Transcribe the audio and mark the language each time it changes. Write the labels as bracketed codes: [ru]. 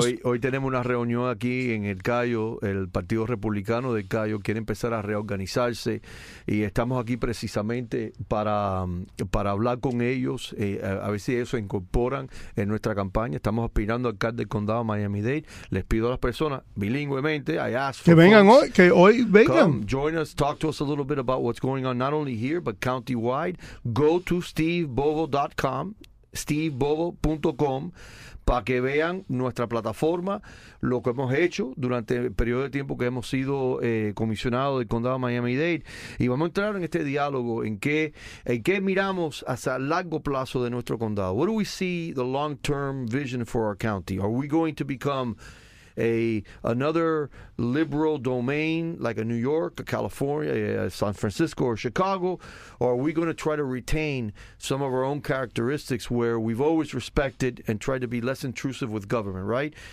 [es] sí, hoy tenemos una reunión aquí en el Cayo, el Partido Republicano del Cayo quiere empezar a reorganizarse y estamos aquí precisamente para hablar con ellos, a ver si ellos se incorporan en nuestra campaña. Estamos aspirando al alcalde del condado Miami-Dade. Le les pido a las personas bilingüemente, [en] I ask for [es] que vengan hoy, que hoy vengan. [en] Come, join us, talk to us a little bit about what's going on, not only here, but countywide. Go to [es] stevebovo.com, stevebovo.com, para que vean nuestra plataforma, lo que hemos hecho durante el periodo de tiempo que hemos sido comisionados del condado de Miami-Dade. Y vamos a entrar en este diálogo, en qué miramos hasta el largo plazo de nuestro condado. [en] What do we see the long-term vision for our county? Are we going to become another liberal domain like a New York, a California, a San Francisco, or Chicago? Or are we going to try to retain some of our own characteristics where we've always respected and tried to be less intrusive with government, right?